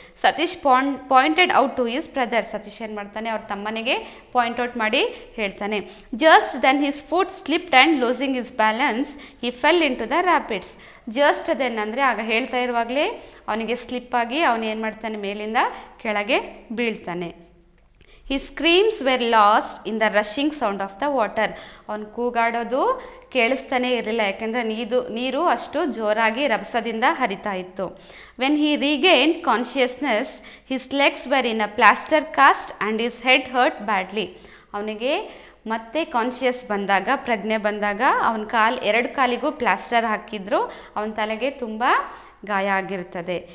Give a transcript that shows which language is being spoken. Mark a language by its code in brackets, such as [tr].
[en] Satish pointed out to his brother. [kn] Satish ಏನು ಮಾಡ್ತಾನೆ, ಅವ್ರ ತಮ್ಮನಿಗೆ ಪಾಯಿಂಟ್ ಔಟ್ ಮಾಡಿ ಹೇಳ್ತಾನೆ. [en] Just then his foot slipped and losing his balance he fell into the rapids. Just then [kn] ಅಂದರೆ ಆಗ ಹೇಳ್ತಾ ಇರುವಾಗಲೇ ಅವನಿಗೆ ಸ್ಲಿಪ್ಪಾಗಿ ಅವನು ಏನು ಮಾಡ್ತಾನೆ, ಮೇಲಿಂದ ಕೆಳಗೆ ಬೀಳ್ತಾನೆ. [en] His screams were lost in the rushing sound of the water. [kn] ಅವನು ಕೂಗಾಡೋದು ಕೇಳಿಸ್ತಾನೆ ಇರಲಿಲ್ಲ, ಯಾಕೆಂದರೆ ನೀರು ಅಷ್ಟು ಜೋರಾಗಿ ರಭಸದಿಂದ ಹರಿತಾ ಇತ್ತು. [en] When he regained consciousness his legs were in a plaster cast and his head hurt badly. [kn] ಅವನಿಗೆ ಮತ್ತೆ ಕಾನ್ಶಿಯಸ್ ಬಂದಾಗ, ಪ್ರಜ್ಞೆ ಬಂದಾಗ ಅವನ ಕಾಲು ಎರಡು ಕಾಲಿಗೂ ಪ್ಲಾಸ್ಟರ್ ಹಾಕಿದ್ರು, ಅವನ ತಲೆಗೆ ತುಂಬ ಗಾಯ ಆಗಿರ್ತದೆ.